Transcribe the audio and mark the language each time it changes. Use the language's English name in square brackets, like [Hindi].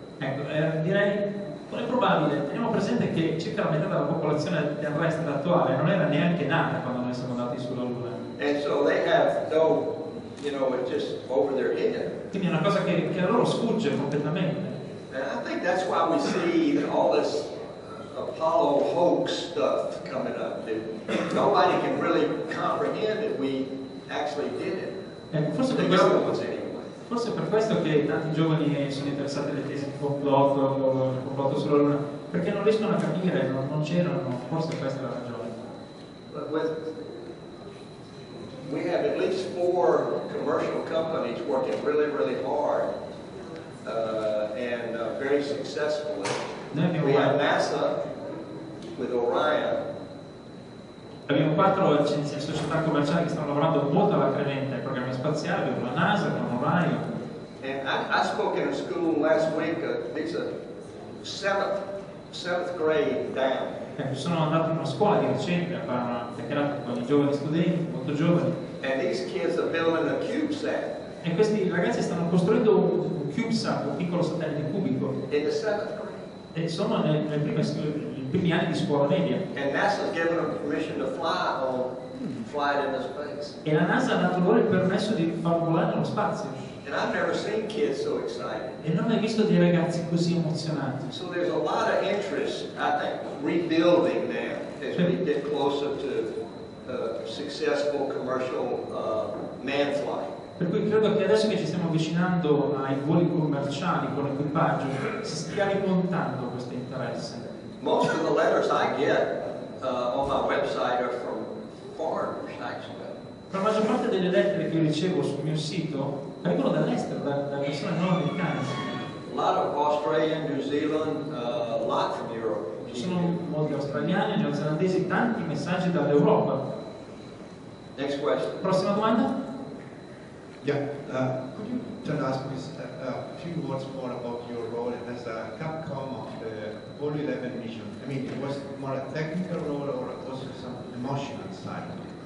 [Italian] Ecco, direi, è probabile, teniamo presente che circa la metà della popolazione terrestre attuale non era neanche nata quando noi siamo andati sulla Luna. [English] And so they have no, you know, just over their head. [Italian] Quindi è una cosa che a loro sfugge completamente. [English] And I think that's why we see all this Apollo hoax stuff coming up. Nobody can really comprehend that we actually did it. [Italian] Ecco, forse [English] the government was anyway. [Italian] Forse è per questo che tanti giovani sono interessati alle tesi di complotto, complotto sulla Luna, perché non riescono a capire, non c'erano, forse questa è la ragione. [English] We have at least four commercial companies working really, really hard and very successfully. We have NASA with Orion. [Italian] Abbiamo quattro società commerciali che stanno lavorando molto alacremente ai programmi spaziali, abbiamo la NASA, abbiamo Orion. [English] And I spoke in a school last week, it's a seventh seventh grade down. [Italian] Mi sono andato in una scuola di recente a fare una chiacchierata con i giovani studenti, molto giovani. [English] And these kids are building a CubeSat. [Italian] E questi ragazzi stanno costruendo un CubeSat, un piccolo satellite cubico. [English] In the seventh grade. [Italian] E sono nei primi anni di scuola media. [English] And NASA's given them permission to fly on. Fly it into space. [Italian] E la NASA ha dato loro il permesso di far volare nello spazio. [English] And I've never seen kids so excited. [Italian] E non ho mai visto dei ragazzi così emozionati. [English] So there's a lot of interest, I think, rebuilding now as we get closer to successful commercial manned flight. [Italian] Per cui credo che adesso che ci stiamo avvicinando ai voli commerciali con l'equipaggio si stia rimontando questo interesse. [English] Most of the letters I get on my website are from foreigners, [Italian] la maggior parte delle lettere che io ricevo sul mio sito arrivano dall'estero, da persone non americane. [English] A lot of Australian, New Zealand, a lot from Europe. [Italian] Ci sono molti australiani, neozelandesi, tanti messaggi dall'Europa. [English] Next question. [Italian] Prossima domanda? [English] Yeah, could you just ask me a few words more about your role as a Capcom of the Apollo 11 mission? I mean, it was more a technical role or also some emotional side?